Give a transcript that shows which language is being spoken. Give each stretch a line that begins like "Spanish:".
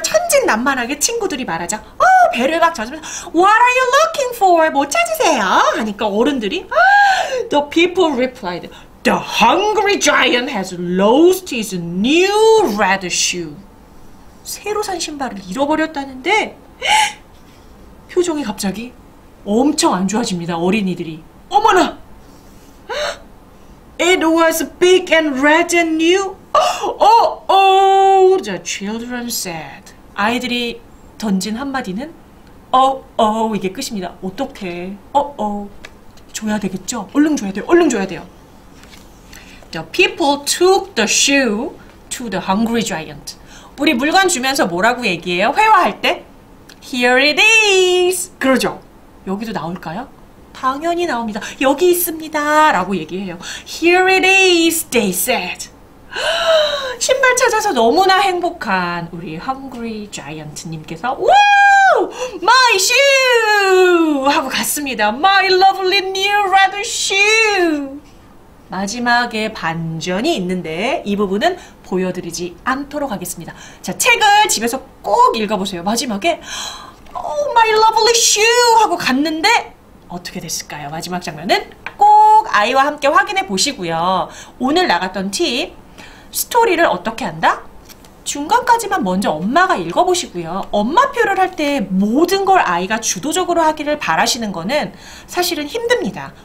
Korean: 천진난만하게 친구들이 말하자 어, 배를 막 젖으면서
English: What are you looking for?
Korean: 뭐 찾으세요? 하니까 어른들이
English: The people replied The hungry giant has lost his new red shoe.
Korean: 새로 산 신발을 잃어버렸다는데 표정이 갑자기 엄청 안 좋아집니다. 어린이들이 어머나
English: It was big and red and new. Oh, oh, the children said.
Korean: 아이들이 던진 한마디는 Oh, oh, 이게 끝입니다. 어떡해. Oh, oh. 줘야 되겠죠? 얼른 줘야 돼요. 얼른 줘야 돼요.
English: The people took the shoe to the hungry giant.
Korean: 우리 물건 주면서 뭐라고 얘기해요? 회화할 때?
English: Here it is.
Korean: 그러죠? 여기도 나올까요? 당연히 나옵니다. 여기 있습니다. 라고 얘기해요.
English: Here it is, they said.
Korean: 신발 찾아서 너무나 행복한 우리 Hungry Giant님께서 Wow!
English: My shoe!
Korean: 하고 갔습니다.
English: My lovely new red shoe!
Korean: 마지막에 반전이 있는데 이 부분은 보여드리지 않도록 하겠습니다. 자, 책을 집에서 꼭 읽어보세요. 마지막에
English: Oh, my lovely shoe!
Korean: 하고 갔는데 어떻게 됐을까요? 마지막 장면은 꼭 아이와 함께 확인해 보시고요. 오늘 나갔던 팁, 스토리를 어떻게 한다? 중간까지만 먼저 엄마가 읽어보시고요. 엄마표를 할 때 모든 걸 아이가 주도적으로 하기를 바라시는 거는 사실은 힘듭니다.